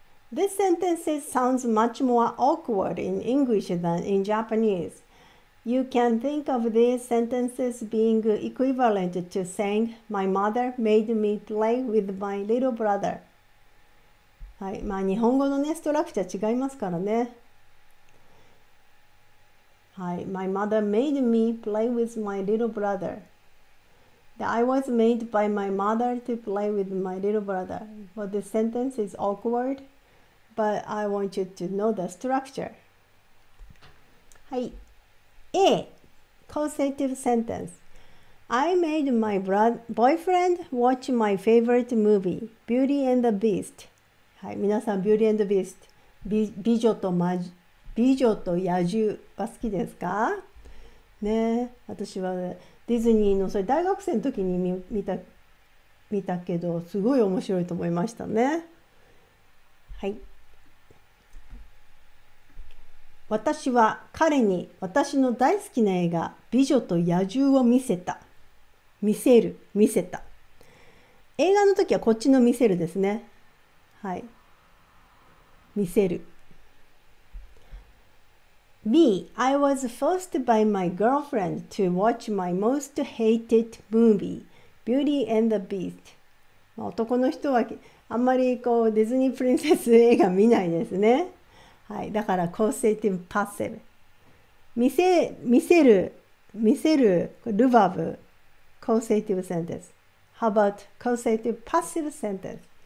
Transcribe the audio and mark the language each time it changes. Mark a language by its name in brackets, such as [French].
[English] This sentence sounds much more awkward in English than in Japanese. You can think of these sentences being equivalent to saying, My mother made me play with my little brother. [Japanese] はい。まあ、日本語のね、ストラクチャー違いますからね。はい。 [English] My mother made me play with my little brother. I was made by my mother to play with my little brother. But this sentence is awkward. But I want you to know the structure. はい。A. causative sentence. I made my boyfriend watch my favorite movie, Beauty and the Beast. [Japanese] はい、皆さん、Beauty and the Beast。美女と野獣は好きですか？ね、私はディズニーのそれ大学生の時に見たけど、すごい面白いと思いましたね。はい。私は彼に私の大好きな映画「美女と野獣」を見せた。見せた。映画の時はこっちの見せるですね。はい。見せる。 [English] Me, I was forced by my girlfriend to watch my most hated movie, Beauty and the Beast. [Japanese] 男の人はあんまりこうディズニープリンセス映画見ないですね。はい、だから [English] causative passive。 [Japanese] 見せる、ルバーブ、 [English] causative sentence。 How about causative passive sentence?